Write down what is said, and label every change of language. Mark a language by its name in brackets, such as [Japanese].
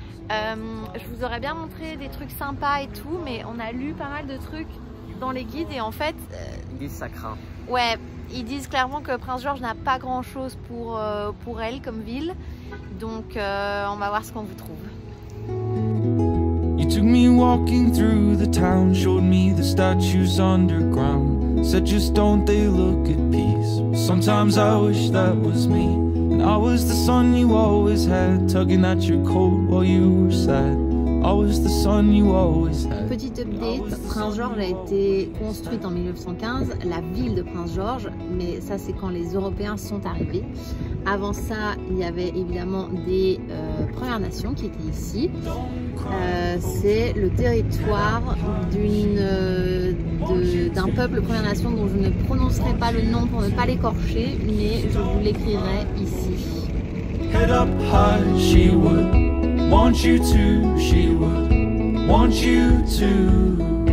[French] Je vous aurais bien montré des trucs sympas et tout, mais on a lu pas mal de trucs dans les guides et en fait ils disent ça craint. Ouais, ils disent clairement que Prince George n'a pas grand chose pour elle comme ville, donc on va voir ce qu'on vous trouve. [English] You took me walking through the town, showed me the statues underground. Said just don't they look at peace? Sometimes I wish that was me. And I was the son you always had, tugging at your coat while you were sad. I was the son you always had. [French] Petite update, Prince George a été construite en 1915, la ville de Prince George, mais ça c'est quand les Européens sont arrivés. Avant ça, il y avait évidemment des Premières Nations qui étaient ici. C'est le territoire d'un peuple Premières Nations dont je ne prononcerai pas le nom pour ne pas l'écorcher, mais je vous l'écrirai ici. [English] Head up high, she would want you to, she would want you to.